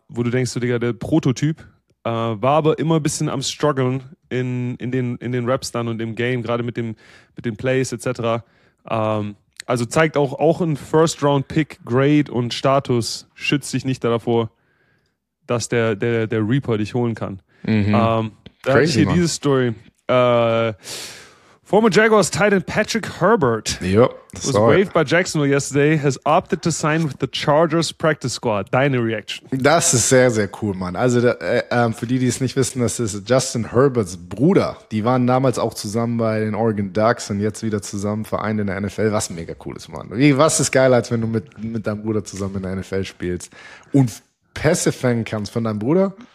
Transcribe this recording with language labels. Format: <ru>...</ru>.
<de>Wo du denkst, Digga, der Prototyp. War aber immer ein bisschen am Struggeln in den Raps dann und im Game, gerade mit dem Plays etc. Also zeigt auch ein First-Round-Pick-Grade und Status schützt dich nicht davor, dass der Reaper dich holen kann. Mhm. Da habe ich hier diese Story.</de> <en>Former Jaguars tight end Patrick Herbert waived by Jacksonville yesterday, has opted to sign with the Chargers practice squad.</en> <de>Deine Reaction? Das ist sehr, sehr cool, Mann. Also für die es nicht wissen, das ist Justin Herberts Bruder. Die waren damals auch zusammen bei den Oregon Ducks und jetzt wieder zusammen vereint in der NFL. Was mega cool ist, Mann. Was ist geil, als wenn du mit deinem Bruder zusammen in der NFL spielst und Pässe fangen kannst von deinem Bruder?</de>